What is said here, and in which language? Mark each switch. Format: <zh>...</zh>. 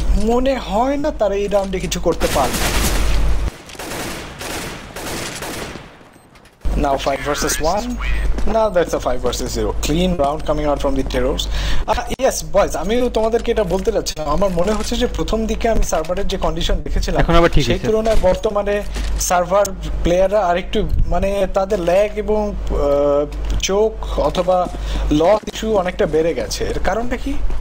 <bn>মনে হয় না তারা এই রাউন্ডে কিছু করতে পারবে।</bn> <en>Now 5 versus 1, now that's a 5 versus 0, clean round coming out from the terrors. Yes boys,</en> <bn>আমি তোমাদেরকে এটা বলতে যাচ্ছিলাম, আমার মনে হচ্ছে যে প্রথম দিকে আমি সার্ভারের যে কন্ডিশন দেখেছিলাম এখন আবার ঠিক আছে, সেই তুলনায় বর্তমানে সার্ভার প্লেয়াররা আরেকটু মানে তাদের ল্যাগ এবং চোক অথবা লস ইস্যু অনেকটা বেড়ে গেছে, এর কারণটা কি?</bn>